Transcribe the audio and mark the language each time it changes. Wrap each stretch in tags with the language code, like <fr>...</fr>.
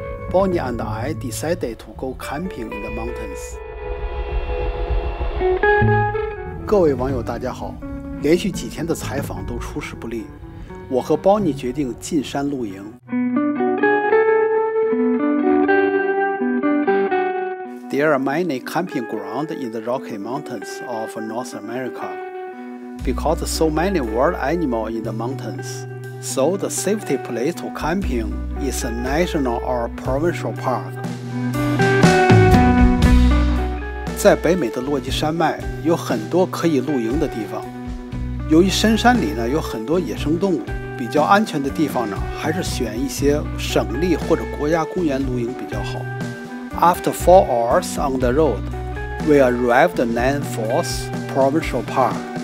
<en>Bonnie and I decided to go camping in the mountains.</en> <zh>各位网友大家好，连续几天的采访都出师不利，我和 Bonnie 决定进山露营。</zh> <en>There are many camping grounds in the Rocky Mountains of North America. Because so many wild animals in the mountains, so the safety place to camping is a national or provincial park.</en> <zh>在北美的落基山脉有很多可以露营的地方。由于深山里呢有很多野生动物，比较安全的地方呢还是选一些省立或者国家公园露营比较好。</zh> <en>After 4 hours on the road, we arrived at Nine Falls Provincial Park.</en>